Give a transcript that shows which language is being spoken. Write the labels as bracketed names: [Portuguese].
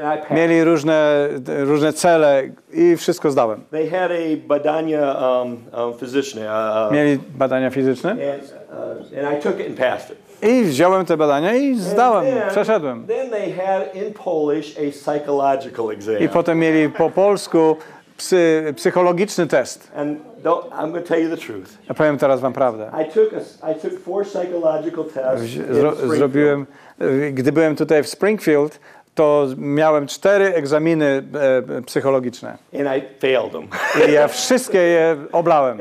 [Polish] Mieli różne cele i wszystko zdałem. [English] They had a [Polish] badania fizyczne. Mieli badania fizyczne? [English] And I took it and passed it. [Polish] I wziąłem te badania i zdałem, przeszedłem. [English] Then they had in Polish a psychological exam. [Polish] I potem mieli po polsku psychologiczny test. [English] And don't, I'm going to tell you the truth. [Polish] Ja powiem teraz wam prawdę. [English] I took 4 psychological tests. [Polish] Zrobiłem, gdy byłem tutaj w Springfield, to miałem 4 egzaminy psychologiczne. [English] And I failed them. [Polish] I ja wszystkie je oblałem.